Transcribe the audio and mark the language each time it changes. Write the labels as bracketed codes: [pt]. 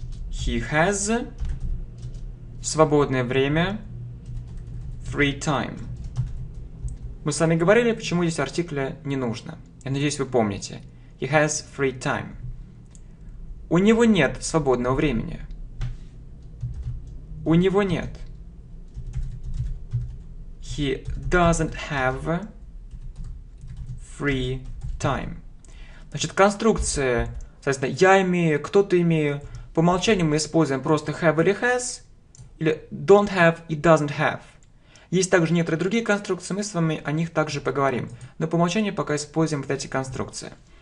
[en] He has свободное время. Free time. [ru] Мы с вами говорили, почему здесь артикля не нужно. Я надеюсь, вы помните. He has free time. У него нет свободного времени. У него нет. [en] He doesn't have free time. [ru] Значит, конструкция, соответственно, я имею, кто-то имею. По умолчанию мы используем просто have или has, или don't have и doesn't have. Есть также некоторые другие конструкции, мы с вами о них также поговорим. Но по умолчанию пока используем вот эти конструкции.